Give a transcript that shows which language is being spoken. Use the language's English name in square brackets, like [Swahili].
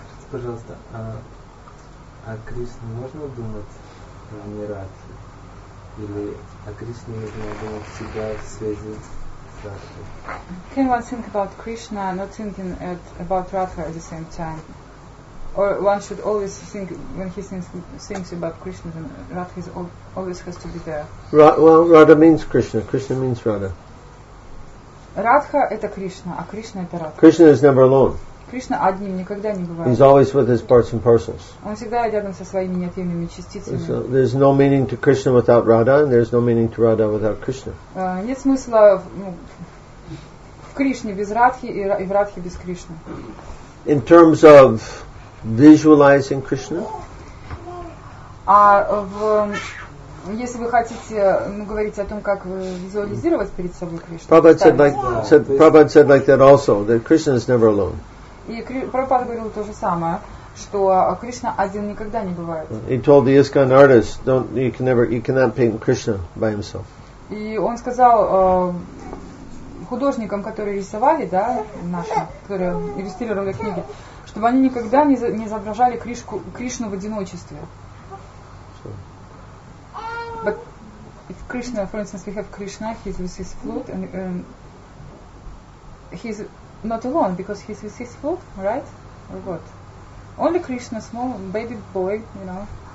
[Russian] Пожалуйста, о Кришне можно думать в Нирадхе? Или о Кришне можно думать всегда в связи с Радхой? [English] Can one think about Krishna not thinking about Radha at the same time? Or one should always think, when he thinks about Krishna, then Radha always has to be there. Radha means Krishna, Krishna means Radha. [Russian] Radha – это Кришна, а Кришна – это Radha. [English] Krishna is never alone. [Russian] Кришна одним никогда не бывает. [English] He's always with his parts and parcels. [Russian] Он всегда рядом со своими неотъемлемыми частицами. [English] So there's no meaning to Krishna without Radha, and there's no meaning to Radha without Krishna. [Russian] Нет смысла в Кришне без Радхи и в Радхе без Кришны. [English] In terms of visualizing Krishna. [Russian] Если вы хотите говорить о том, как визуализировать перед собой Кришну. [English] Prabhupada said like that also, that Krishna is never alone. [Russian] И Прабхупада говорил то же самое, что Кришна один никогда не бывает. [English] He told the ISKCON artists, you cannot paint Krishna by himself. [Russian] И он сказал художникам, которые рисовали, да, наши, которые иллюстрировали книги, чтобы они никогда не изображали Кришну в одиночестве. [English] But if Krishna, for instance, we have Krishna, he's with his flute, and he's not alone, because he's with his flute, right? Or what? Only Krishna, small baby boy, you know.